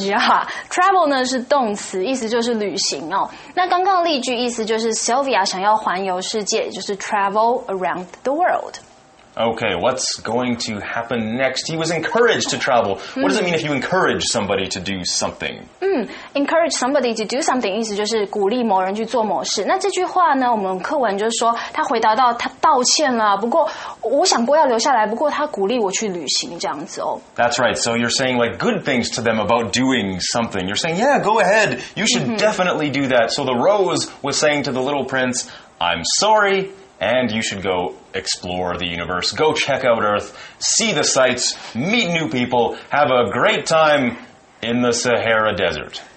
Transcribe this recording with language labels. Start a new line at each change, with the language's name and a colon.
Chinese: Yeah, travel 呢是动词，意思就是旅行哦。那刚刚例句意思就是 Sylvia 想要环游世界，就是
English: travel around the world. Okay, what's going to happen next? He was encouraged to travel. What does it mean if you encourage somebody to do something? Encourage somebody to do something
Chinese: 意思就是鼓励某人去做某事。那这句话呢，我们课文就是说他回答到他道歉了，不过我想过要留下来，不过他鼓励我去旅行这样子哦。
English: That's right, so you're saying like good things to them about doing something. You're saying, yeah, go ahead, you should definitely do that. So the rose was saying to the little prince, I'm sorry,And you should go explore the universe. Go check out Earth, see the sights, meet new people, have a great time in the Sahara Desert.